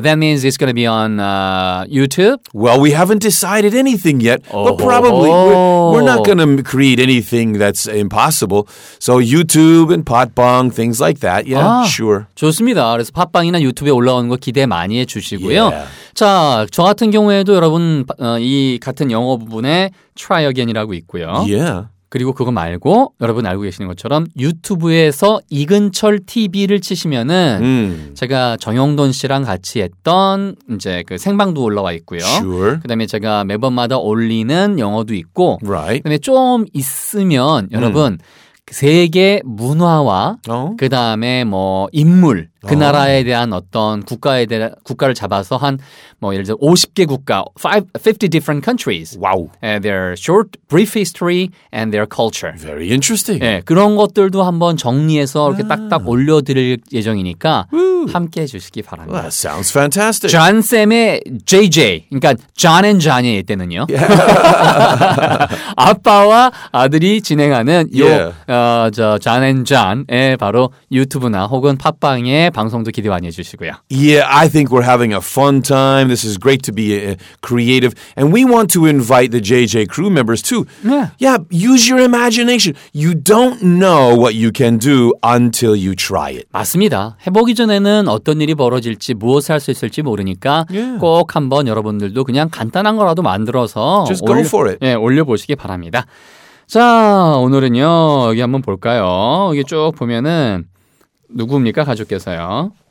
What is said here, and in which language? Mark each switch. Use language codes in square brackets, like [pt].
[en] That means it's going to be on YouTube? Well, we haven't decided anything yet, but probably we're not going to create anything that's impossible. So YouTube and Potbong, things like that. Yeah, sure. [ko] 좋습니다. 그래서 팟빵이나 유튜브에 올라오는 거 기대 많이 해주시고요. [en] Yeah. [ko] 자, 저 같은 경우에도 여러분 이 같은 영어 부분에 Try Again이라고 있고요. [en] Yeah. [ko] 그리고 그거 말고 여러분 알고 계시는 것처럼 유튜브에서 이근철 TV를 치시면은 제가 정영돈 씨랑 같이 했던 이제 그 생방도 올라와 있고요. [en] Sure. [ko] 그다음에 제가 매번마다 올리는 영어도 있고 [en] right. [ko] 그다음에 좀 있으면 여러분 세계 문화와 그다음에 뭐 인물 그 나라에 대한 어떤 국가에 대한 국가를 잡아서 한 뭐 예를 들어 50개 국가 [en] 50 different countries. Wow. And their short brief history and their culture. Very interesting. [ko] 예, 그런 것들도 한번 정리해서 이렇게 딱딱 올려 드릴 예정이니까 함께 해 주시기 바랍니다. [en] That sounds fantastic. [ko] 존 쌤의 JJ. 그러니까 존 앤 존이 때는요. [en] Yeah. [ko] 아빠와 아들이 진행하는 요 저 존 앤 존의 바로 유튜브나 혹은 팟빵에 방송도 기대 많이 해주시고요. [en] Yeah, I think we're having a fun time. This is great to be creative. And we want to invite the JJ crew members too. Yeah. Yeah, use your imagination. You don't know what you can do until you try it. [ko] 맞습니다. 해보기 전에는 어떤 일이 벌어질지 무엇을 할 수 있을지 모르니까 꼭 한번 여러분들도 그냥 간단한 거라도 만들어서 [en] Just go for it. [ko] 예, 올려보시기 바랍니다. 자, 오늘은요. 여기 한번 볼까요? 여기 쭉 보면은 누구입니까 가족께서요?